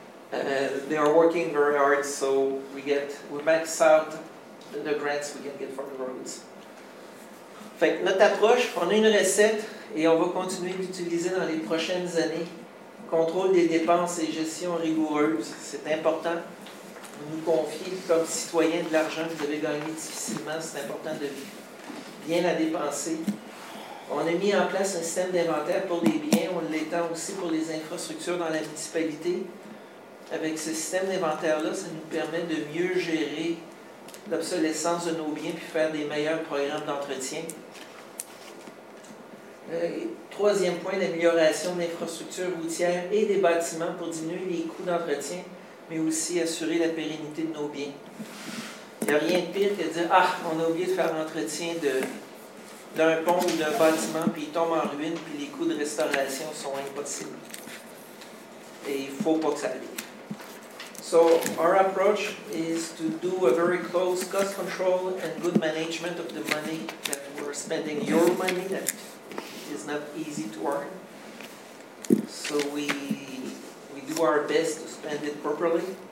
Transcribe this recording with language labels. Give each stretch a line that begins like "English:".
English: They are working very hard, so we max out the grants we can get from the roads.
French: Fait que notre approche, on a une recette et on va continuer d'utiliser dans les prochaines années. Contrôle des dépenses et gestion rigoureuse, c'est important. On nous confie comme citoyens de l'argent que vous avez gagné difficilement, c'est important de bien la dépenser. On a mis en place un système d'inventaire pour les biens, on l'étend aussi pour les infrastructures dans la municipalité. Avec ce système d'inventaire-là, ça nous permet de mieux gérer l'obsolescence de nos biens puis faire des meilleurs programmes d'entretien. Troisième point, l'amélioration de l'infrastructure routière et des bâtiments pour diminuer les coûts d'entretien, mais aussi assurer la pérennité de nos biens. Il n'y a rien de pire que de dire « Ah, on a oublié de faire l'entretien d'un pont ou d'un bâtiment, puis il tombe en ruine, puis les coûts de restauration sont impossibles. » Et il ne faut pas que ça arrive.
English: So, our approach is to do a very close cost control and good management of the money that we're spending, your money that is not easy to earn. So, we do our best to spend it properly.